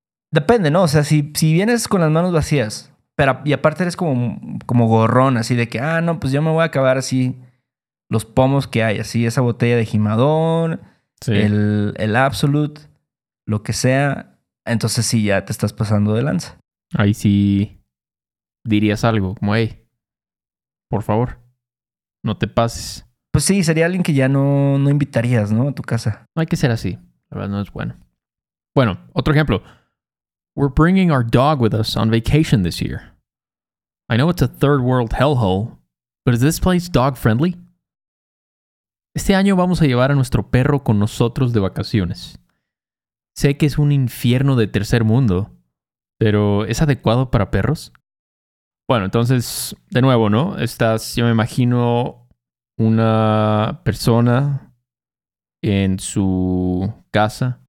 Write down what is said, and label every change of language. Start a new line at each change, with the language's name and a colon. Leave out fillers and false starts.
Spanish: Depende, ¿no? O sea, si vienes con las manos vacías, pero y aparte eres como gorrón, así de que, no, pues yo me voy a acabar así los pomos que hay, así esa botella de Jimador, el Absolut, lo que sea, entonces sí, ya te estás pasando de lanza. Ahí sí dirías algo, como, hey, por favor, no te pases. Pues sí, sería alguien que ya no invitarías, ¿no? A tu casa. No hay que ser así, la verdad no es bueno. Bueno, otro ejemplo.
English: We're bringing our dog with us on vacation this year. I know it's a third world hellhole, but is this place dog friendly?
Spanish: Este año vamos a llevar a nuestro perro con nosotros de vacaciones. Sé que es un infierno de tercer mundo, pero ¿es adecuado para perros? Bueno, entonces, de nuevo, ¿no? Estás, yo me imagino, una persona en su casa.